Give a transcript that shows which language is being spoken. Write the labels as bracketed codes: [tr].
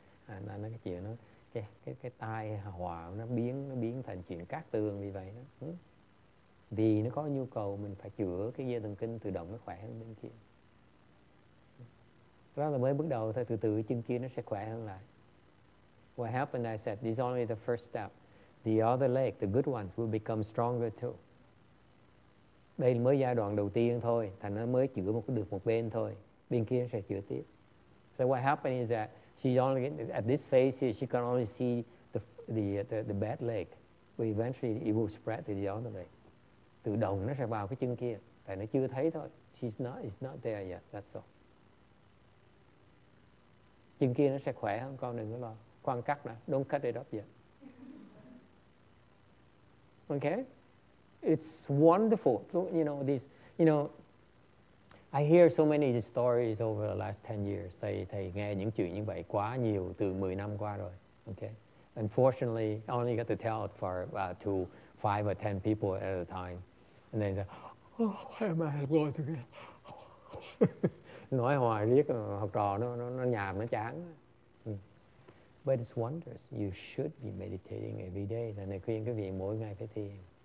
[en] And then [vi] cái chuyện đó, cái tai họa nó biến thành chuyện cát tường vì vậy đó. Vì nó có nhu cầu mình phải chữa cái dây thần kinh tự động nó khỏe hơn bên kia. Đó là mới bước đầu thôi, từ từ chân kia nó sẽ khỏe hơn lại. [en] What happened, I said, this is only the first step. The other leg, the good ones, will become stronger too. [vi] Đây là mới giai đoạn đầu tiên thôi, thành nó mới chữa được một bên thôi. Bên kia nó sẽ chữa tiếp. [en] So what happened is that she's only at this phase here, she can only see the bad leg. But eventually it will spread to the other leg. [vi] Tự động nó sẽ vào cái chân kia, tại nó chưa thấy thôi. [en] It's not there yet, that's all. [vi] Chân kia nó sẽ khỏe hơn, con đừng có lo. Khoan cắt nè, [en] don't cut it up yet. Okay? It's wonderful. So, you know, I hear so many stories over the last 10 years. [vi] Thầy nghe những chuyện như vậy quá nhiều từ 10 năm qua rồi. [en] Okay? Unfortunately, I only got to tell it to 5 or 10 people at a time. And then why am I going to get... [vi] Nói hoài riết học trò nó nhàm, nó chán. [en] But it's wondrous. You should be meditating every day. [vi] Thầy khuyên quý vị mỗi ngày phải thiền.